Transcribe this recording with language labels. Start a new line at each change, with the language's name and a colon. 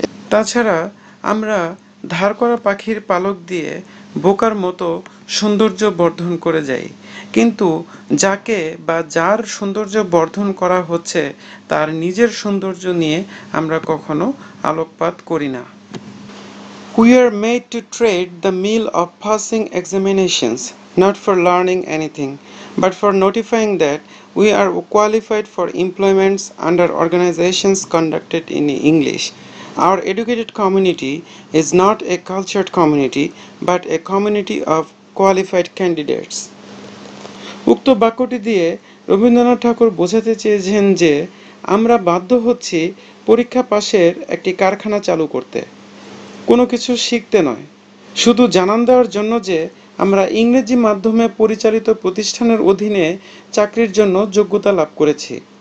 Bangla: তাছাড়া আমরা ধার করা পাখির পালক দিয়ে বোকার মতো সৌন্দর্য বর্ধন করে যাই, কিন্তু যাকে বা যার সৌন্দর্য বর্ধন করা হচ্ছে তার নিজের সৌন্দর্য নিয়ে আমরা কখনো আলোকপাত করি না।
English: We are made to tread the mill of passing examinations, not for learning anything, but for notifying that we are qualified for employments under organizations conducted in English. Our educated community is not a cultured community, but a community of qualified candidates.
Bangla: উক্ত বাক্যটি দিয়ে রবীন্দ্রনাথ ঠাকুর বোঝাতে চেয়েছেন যে আমরা বাধ্য হচ্ছি পরীক্ষা পাশের একটি কারখানা চালু করতে, কোনো কিছু শিখতে নয়, শুধু জানান দেওয়ার জন্য যে আমরা ইংরেজি মাধ্যমে পরিচালিত প্রতিষ্ঠানের অধীনে চাকরির জন্য যোগ্যতা লাভ করেছি।